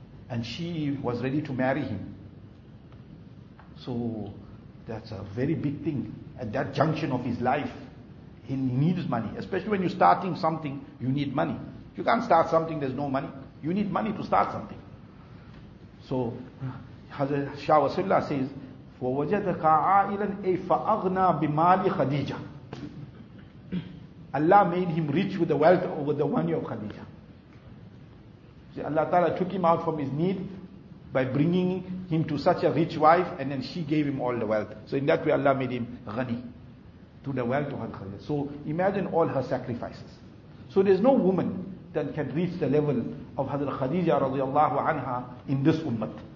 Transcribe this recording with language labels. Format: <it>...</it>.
<en>And she was ready to marry him. So that's a very big thing. At that junction of his life, He needs money. Especially when you're starting something, you need money. You can't start something, there's no money. You need money to start something. So, Hazrat Shah Wasallah says,</en> <ar>فَوَجَدَكَ عَائِلًا أَيْ فَأَغْنَى بِمَالِ خَدِيجَةً.</ar> <en>Allah made him rich with the wealth over the money of Khadija. See, Allah Ta'ala took him out from his need by bringing him to such a rich wife, and then she gave him all the wealth. So in that way Allah made him ghani to the wealth of Khadija. So imagine all her sacrifices. So there's no woman that can reach the level of Hazrat Khadija radiallahu anha in this ummah.</en>